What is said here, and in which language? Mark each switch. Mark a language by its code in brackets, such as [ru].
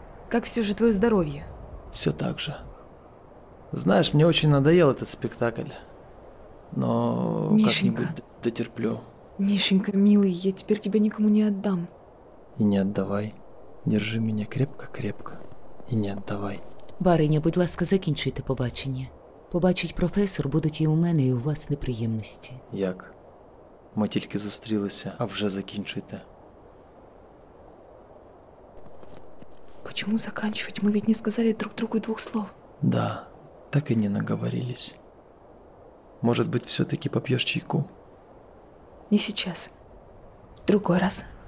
[ru] Как все же твое здоровье? Все так же. Знаешь, мне очень надоел этот спектакль. Но как-нибудь дотерплю. Мишенька, милый, я теперь тебя никому не отдам. И не отдавай. Держи меня крепко-крепко. И не отдавай. [uk] Бариня, будь ласка, закінчуйте побачення. Побачить професор будуть і у мене, і у вас неприємності. Як? Ми тільки зустрілися, а вже закінчуйте. [ru] Почему заканчивать? Мы ведь не сказали друг другу и двух слов. Да, так и не наговорились. Может быть, все-таки попьешь чайку? Не сейчас. В другой раз.